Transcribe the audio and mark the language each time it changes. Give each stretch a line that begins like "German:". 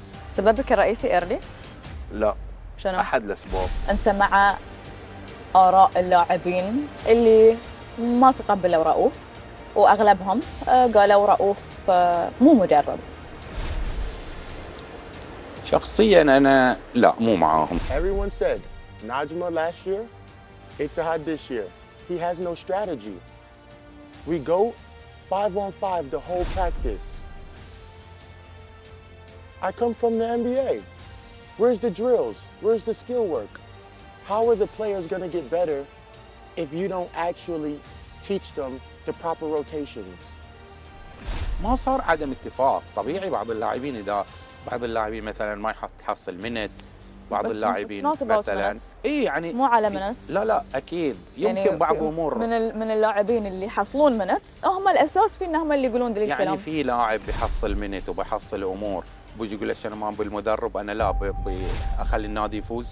Arabic: سببك الرئيسي ايرلي؟ لا. شنو؟ احد الاسباب. انت مع اراء اللاعبين اللي ما تقبلوا رؤوف واغلبهم قالوا رؤوف مو مدرب. شخصيا انا لا مو معاهم.
English: Everyone said Najma last year, Ittihad this year. He has no strategy. We go 5-on-5 the whole practice. I come from the NBA. Where's the drills? Where's the skill work? How are the players going to get better if you don't actually teach them the proper rotations?
Arabic: ما صار عدم اتفاق طبيعي. بعض اللاعبين اذا بعض اللاعبين مثلا ما يحصل منت بعض اللاعبين مثلا اي يعني مو على منت لا لا اكيد يمكن يعني بعض امور من اللاعبين اللي يحصلون منت هم الاساس في انهم اللي يقولون ذي الكلام يعني في لاعب بيحصل منت وبيحصل امور بيجي يقول ايش انا ما بالمدرب انا لا بخلي النادي يفوز